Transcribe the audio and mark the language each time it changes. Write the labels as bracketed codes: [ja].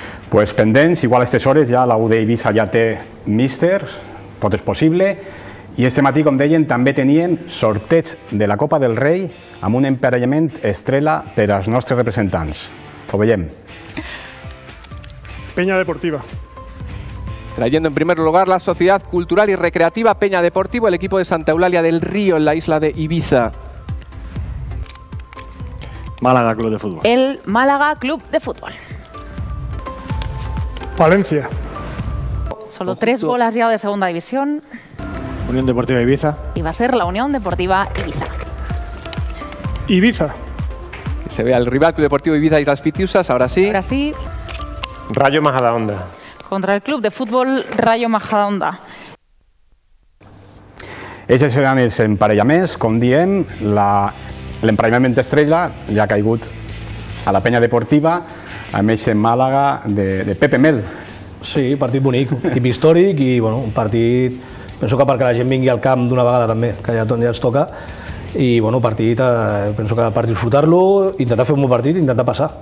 [ca] Pues pendents, igual a estes hores ja la UD Eivissa ja té míster, tot és possible. I este matí, com deien, també tenien sorteig de la Copa del Rei amb un emparellament estrella per als nostres representants. Ho veiem. [es] Peña Deportiva. Trayendo en primer lugar la Sociedad Cultural y Recreativa Peña Deportivo, el equipo de Santa Eulalia del Río, en la isla de Eivissa. Málaga Club de Fútbol. El Málaga Club de Fútbol. Valencia. Solo 3 bolas ya de segunda división. Unión Deportiva Eivissa. Y va a ser la Unión Deportiva Eivissa. Eivissa. Que se vea el rival Club Deportivo Eivissa y las Pitiusas, ahora sí. Ahora sí. Rayo Majadahonda. Contra el Club de Fútbol Rayo Majadahonda. Ese será el emparellamiento con Diem. [ca] El emparellamiento estrella ya ha caigut a la Peña Deportiva. A més, en Màlaga, de Pepe Mel. Sí, partit bonic, equip històric i un partit... Penso que perquè la gent vingui al camp d'una vegada també, que ja ens toca. I partit, penso que per disfrutar-lo, intentar fer un bon partit i intentar passar.